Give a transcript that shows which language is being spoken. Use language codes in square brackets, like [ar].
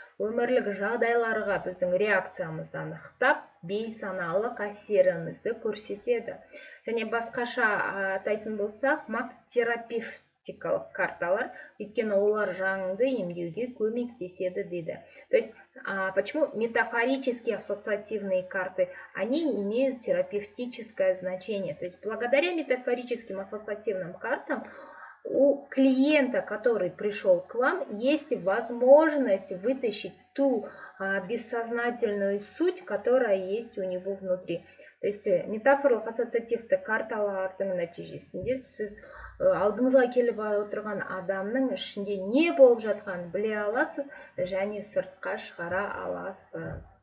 [kk] Өмірлік жағдайларға біздің реакциямызды анықтап, бей саналық әсерімізді көрсетеді. Және басқаша айтатын болсақ, мак терапевтикалық карталар, өйткені олар жаныңды емдеуге көмектеседі дейді. [ru] То есть, почему метафорические ассоциативные карты, они имеют терапевтическое значение. То есть, благодаря метафорическим ассоциативным картам у клиента, который пришел к вам, есть возможность вытащить ту бессознательную суть, которая есть у него внутри. То есть, метафоры ассоциативные карты, [kk] нәтижесінде сіз алдыңызға келіп отырған адамның ішінде не болып жатқанын біле аласыз, және сыртқа шығара аласыз.